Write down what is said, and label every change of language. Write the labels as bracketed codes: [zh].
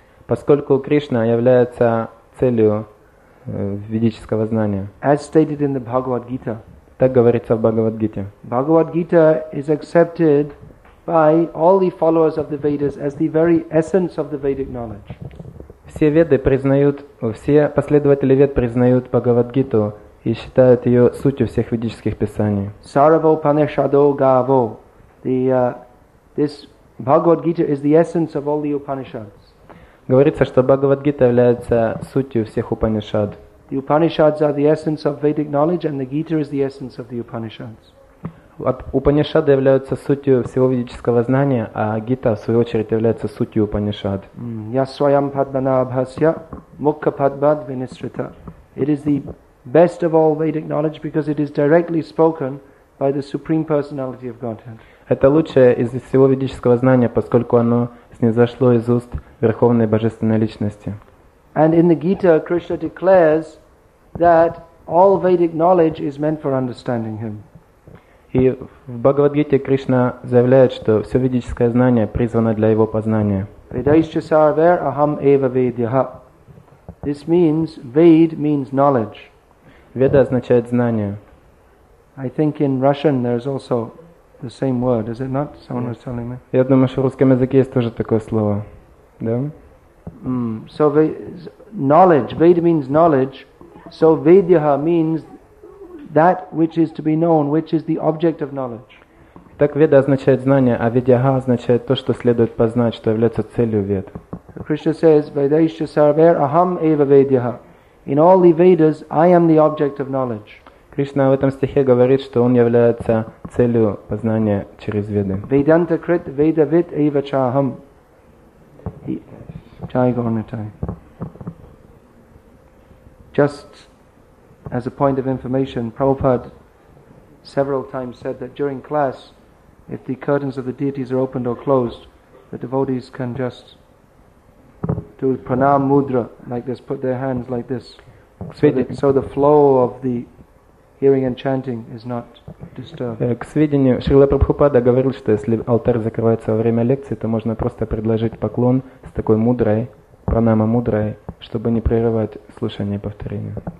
[ru] Поскольку Кришна является целью ведического знания. [en] As stated in the Bhagavad Gita. [ru] Так говорится в Бхагавад Гите. [en] Bhagavad Gita is accepted by all the followers of the Vedas as the very essence of the Vedic knowledge. [ru] Все веды признают, все последователи вед признают Бхагавад-гиту и считают ее сутью всех ведических писаний. [sa] Sarva Upanishado Gavo. [en] This Bhagavad-gita is the essence of all the Upanishads. [ru] Говорится, что Бхагавад-гита является сутью всех Упанишад. [en] The Upanishads are the essence of Vedic knowledge and the Gita is the essence of the Upanishads. [ru] Упанишады являются сутью всего ведического знания, а Гита, в свою очередь, является сутью Упанишад. [sa] Я своям падманабхасья, мукха падбад винистрита. [en] It is the best of all Vedic knowledge because it is directly spoken by the Supreme Personality of Godhead. [ru] Это лучшее из всего ведического знания, поскольку оно снизошло из уст Верховной Божественной Личности. [en] And in the Gita, Krishna declares that all Vedic knowledge is meant for understanding Him. [ru] И в Бхагавад-гите Кришна заявляет, что все ведическое знание призвано для его познания. [sa] Vedaischa sarvair aham eva vedyaha. [en] This means, Ved means knowledge. [ru] Веда означает знание. [en] I think in Russian there is also the same word, is it not? Someone was telling me. [ru] Я думаю, что в русском языке есть тоже такое слово. Да? [en] So knowledge, Ved means knowledge. So vedyaha means that which is to be known, which is the object of knowledge. [ru] Так веда означает знание, а видяха означает то, что следует познать, что является целью вед. [en] Krishna says, [sa] Vedaischa sarvair aham eva vedyaha. [en] In all the Vedas, I am the object of knowledge. [ru] Кришна в этом стихе говорит, что он является целью познания через веды. [sa] Vedanta krit vedavit eva chaham. Chai gornitai. [en] Just as a point of information, Prabhupada several times said that during class, if the curtains of the deities are opened or closed, the devotees can just do pranam mudra like this, put their hands like this, so the flow of the hearing and chanting is not disturbed. [ru] К сведению, Шрила Прабхупада говорил, что если алтарь закрывается во время лекции, то можно просто предложить поклон с такой мудрой, пранама мудрой, чтобы не прерывать слушание и повторение.